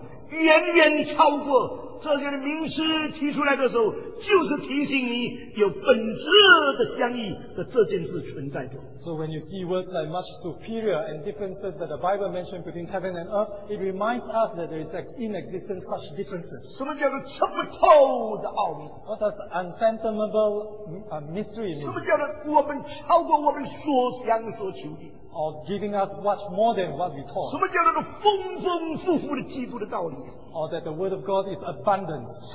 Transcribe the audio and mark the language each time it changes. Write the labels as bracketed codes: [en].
[zh] 远远超过这些名师提出来的时候, 就是提醒你有本质的相异的这件事存在的。 [en] So when you see words like much superior and differences that the Bible mentioned between heaven and earth, it reminds us that there is in existence such differences. [zh] 什么叫做吃不透的奥秘? [en] What does unfathomable mystery mean? [zh] 什么叫做我们超过我们所想所求的? [en] Of giving us much more than what we taught. [zh] 什么叫做丰丰富富的基督的道理? [en] Or that the word of God is abundance.